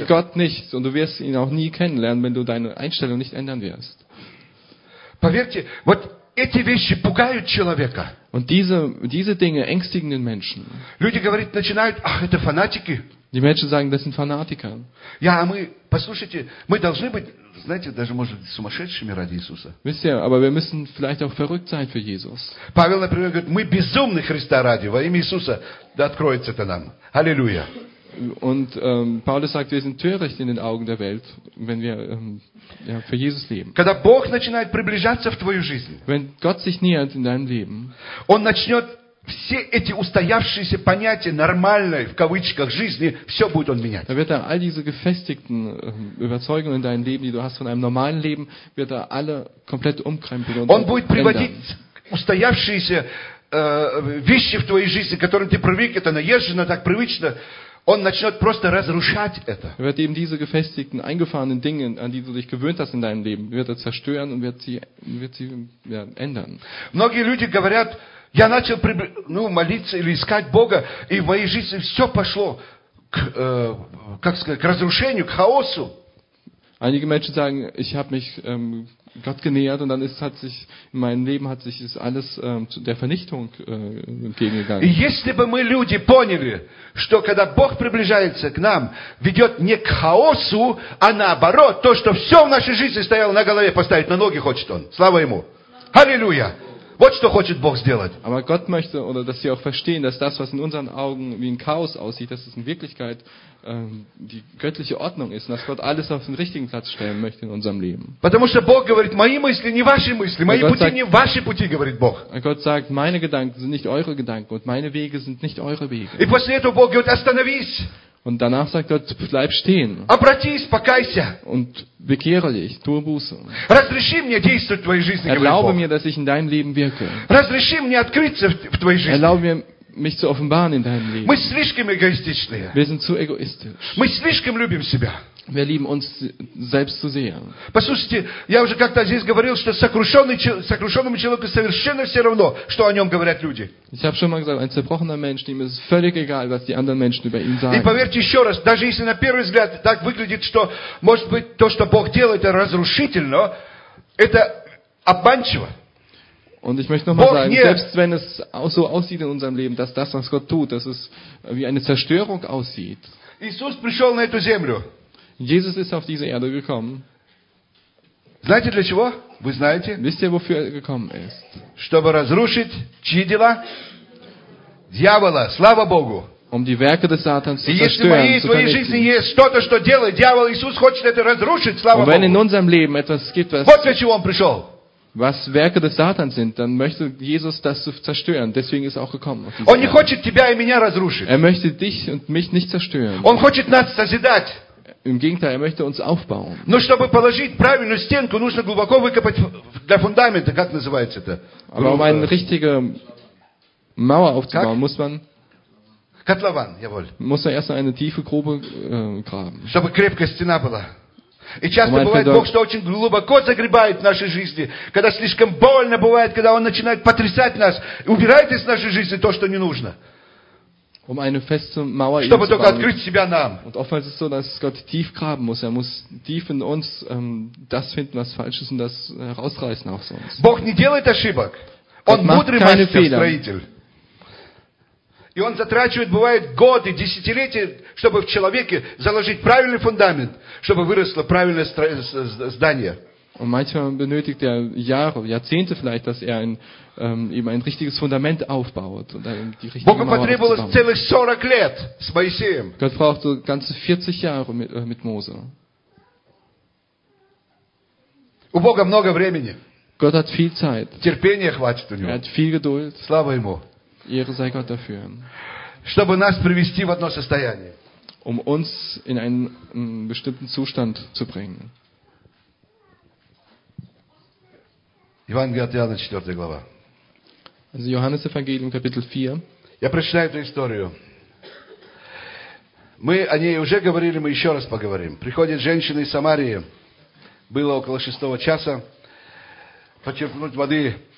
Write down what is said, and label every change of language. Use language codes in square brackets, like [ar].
[de] Du kennst Gott nicht und du wirst ihn auch nie kennenlernen, wenn du deine Einstellung nicht ändern wirst. [ru] Поверьте, вот эти вещи пугают человека. [de] Und diese Dinge ängstigen den Menschen. [ru] Люди говорят, начинают, ach, это фанатики. [de] Die Menschen sagen, das sind Fanatiker. [ru] Ja, мы, послушайте, мы должны быть, знаете, даже может сумасшедшими ради Иисуса. [de] Wisst ihr, aber wir müssen vielleicht auch verrückt sein für Jesus. [ru] Павел, например, говорит, мы безумны Христа ради, во имя Иисуса, да откроется-то нам. Аллилуйя. [de] Und Paulus sagt, wir sind töricht in den Augen der Welt, wenn wir für Jesus leben. [ru] Когда Бог начинает приближаться в твою жизнь. [de] Wenn Gott sich nähert in deinem Leben. [ru] Он начнет все эти устоявшиеся понятия нормальной, в кавычках, жизни, все будет он менять. [de] Da wird er all diese gefestigten Überzeugungen in deinem Leben, die du hast von einem normalen Leben, wird er alle komplett umkrempeln. [ru] Он будет [de] ändern. [ru] Приводить устоявшиеся вещи в твоей жизни, к которым ты привык, это наезжено, так привычно. Он начнет просто разрушать это. [de] Er wird eben diese gefestigten, eingefahrenen Dinge, an die du dich gewöhnt hast in deinem Leben, wird er zerstören und wird sie ändern. [ru] Многие люди говорят, я начал молиться или искать Бога, и в моей жизни все пошло к разрушению, к хаосу. [de] Einige Menschen sagen, ich habe mich Gott genähert und dann hat sich in meinem Leben ist alles zu der Vernichtung entgegengegangen. [ru] Если бы мы люди поняли, что когда Бог приближается к нам, ведет не к хаосу, а наоборот, то, что все в нашей жизни стояло на голове, поставить на ноги хочет Он. Слава Ему. Аллилуйя. Вот что хочет Бог сделать. [de] Aber Gott möchte, oder dass sie auch verstehen, dass das, was in unseren Augen wie ein Chaos aussieht, dass es in Wirklichkeit die göttliche Ordnung ist, und dass Gott alles auf den richtigen Platz stellen möchte in unserem Leben. [ru] Потому что Бог говорит, мои мысли не ваши мысли, мои пути не ваши пути, говорит Бог. [de] Gott sagt, meine Gedanken sind nicht eure Gedanken und meine Wege sind nicht eure Wege. [ru] И после этого Бог говорит, остановись. [de] Und danach sagt Gott, bleib stehen. [ru] Обратись, покайся. [de] Und bekehre dich, tue Buße. [ru] Разреши мне действовать в твоей жизни, говорит Бог. [de] Erlaube mir, dass ich in deinem Leben wirke. [ru] Разреши мне открыться в твоей жизни. [de] Erlaube mir, mich zu offenbaren in deinem Leben. [ru] Мы слишком эгоистичные. [de] Wir sind zu egoistisch. [ru] Мы слишком любим себя. [de] Wir lieben uns selbst zu sehr. [ru] Послушайте, я уже как-то здесь говорил, что сокрушенному человеку совершенно все равно, что о нем говорят люди. [de] Ich habe schon mal gesagt, ein zerbrochener Mensch, dem ist völlig egal, was die anderen Menschen über ihn sagen. [ru] И поверьте еще раз, даже если на первый взгляд так выглядит, что может быть то, что Бог делает, это разрушительно, это обманчиво. [de] Und ich möchte nochmal sagen, selbst wenn es so aussieht in unserem Leben, dass das, was Gott tut, dass es wie eine Zerstörung aussieht. [ru] Иисус пришел на эту землю. [de] Jesus ist auf diese Erde gekommen. [ru] Знаете для чего? Вы знаете? [de] Wisst ihr, wofür er gekommen ist? [ru] Чтобы разрушить чьи дела? Дьявола, слава Богу. [de] Um die Werke des Satans zu zerstören. [ru] Если в моей своей жизни есть что-то, что делает дьявол, Иисус хочет это разрушить, слава Богу. [de] Und wenn in unserem Leben etwas gibt, was [ru] вот для чего он пришел. [de] Was Werke des Satans sind, dann möchte Jesus das zerstören. Deswegen ist er auch gekommen. [ru] Он не хочет тебя и меня разрушить. [de] Er möchte dich und mich nicht zerstören. [ru] Он хочет нас созидать. [de] Im Gegenteil, er möchte uns aufbauen. [ru] Но чтобы положить правильную стенку, нужно глубоко выкопать для фундамента, как называется это? [de] Aber um eine richtige Mauer aufzubauen, muss man [ru] котлован, [de] jawohl. Muss man erst eine tiefe Grube graben. [ru] Чтобы крепкая стена была. И часто бывает, Бог, что очень глубоко загребает в нашей жизни, когда слишком больно бывает, когда Он начинает потрясать нас, убирает из нашей жизни то, что не нужно. [de] Um eine feste Mauer [ru] чтобы только открыть себя нам. [de] Und oftmals ist so, dass Gott tief graben muss. Er muss tief in uns das finden, was falsch ist, und das herausreißen auch sonst. [ru] Бог не делает ошибок. Он мудрый мастер, строитель. И Он затрачивает, бывает, годы, десятилетия, чтобы в человеке заложить правильный фундамент, чтобы выросло правильное здание. [de] Und manchmal benötigt er Jahre, Jahrzehnte vielleicht, dass er ein, eben ein richtiges Fundament aufbaut. [ru] Богу потребовалось целых 40 лет с Моисеем. [de] Gott brauchte ganze 40 Jahre mit Mose. [ru] У Бога много времени. [de] Gott hat viel Zeit. [ru] Терпения хватит у него. [de] Er hat viel Geduld. [ru] Слава ему. [de] Ehre sei Gott dafür. [ru] Чтобы нас привести в одно состояние. [de] Um uns in einen bestimmten Zustand zu bringen. [ru] Евангелие от Иоанна, 4 глава. [de] Johannes Evangelium, Kapitel 4. [ru] Я прочитаю эту историю. Мы о ней уже говорили, мы еще раз поговорим. Приходит женщина из Самарии. Было около 6 часа. Почерпнуть воды.